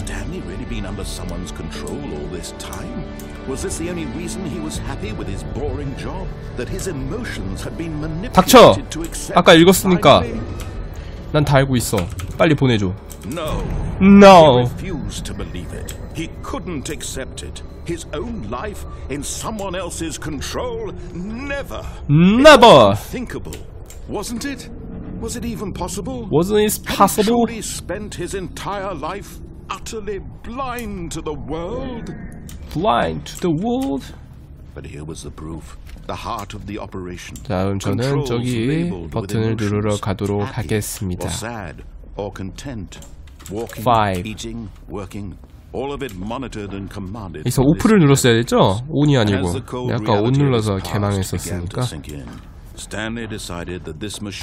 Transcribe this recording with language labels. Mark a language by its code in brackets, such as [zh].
[en] Stanley really been under someone's control all this time? Was this the only reason he was happy with his boring job? That his emotions had been manipulated to accept? [ko] 아까 읽었으니까 난 다 알고 있어. 빨리 보내줘. [en] No. No. He refused to believe it. He couldn't accept it. His own life in someone else's control? Never. Never. Thinkable. Wasn't it? Was it even possible? Wasn't it possible? He spent his entire life utterly blind to the world. Blind to the world. But here was the proof, the heart of the operation. [ko] 다음 저는 저기 버튼을 누르러 가도록 하겠습니다. [en] Sad or content, walking, eating, working. All of it monitored and commanded. [ko] 이서 오프를 눌렀어야 됐죠? 온이 아니고. 아까 온 눌러서 개망했었으니까. [en] Stanley decided that this machine